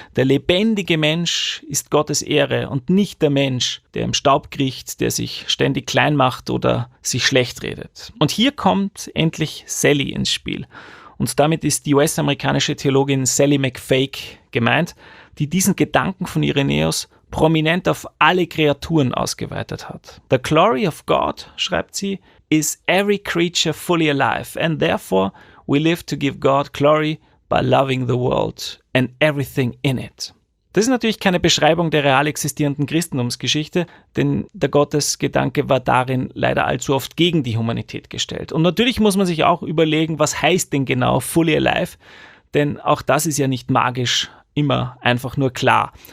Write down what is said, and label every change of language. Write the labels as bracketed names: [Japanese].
[German] Der lebendige Mensch ist Gottes Ehre und nicht der Mensch, der im Staub kriecht, der sich ständig klein macht oder sich schlecht redet. Und hier kommt endlich Sally ins Spiel. Und damit ist die US-amerikanische Theologin Sally McFake gemeint, die diesen Gedanken von Irenäus prominent auf alle Kreaturen ausgeweitet hat. [English] The glory of God, [German] schreibt sie, [English] is every creature fully alive, and therefore we live to give God glory by loving the world and everything in it. [German] Das ist natürlich keine Beschreibung der real existierenden Christentumsgeschichte, denn der Gottesgedanke war darin leider allzu oft gegen die Humanität gestellt. Und natürlich muss man sich auch überlegen, was heißt denn genau fully alive, denn auch das ist ja nicht magisch immer einfach nur klar.